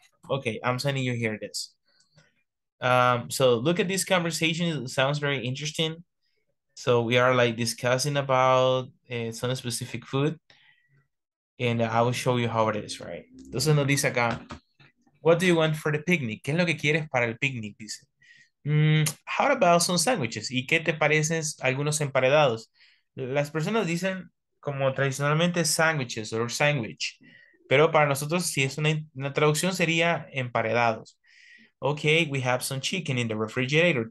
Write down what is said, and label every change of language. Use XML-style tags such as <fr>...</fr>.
<en>Okay, I'm sending you here this. So look at this conversation, it sounds very interesting. So we are like discussing about some specific food and I will show you how it is, right?</en> <es>Entonces nos dice acá,</es> <en>what do you want for the picnic?</en> <es>¿Qué es lo que quieres para el picnic? Dice.</es> <en>How about some sandwiches?</en> <es>¿Y qué te parecen algunos emparedados? Las personas dicen como tradicionalmente sandwiches or sandwich, pero para nosotros si es una traducción sería emparedados.</es> <en>Okay, we have some chicken in the refrigerator.</en>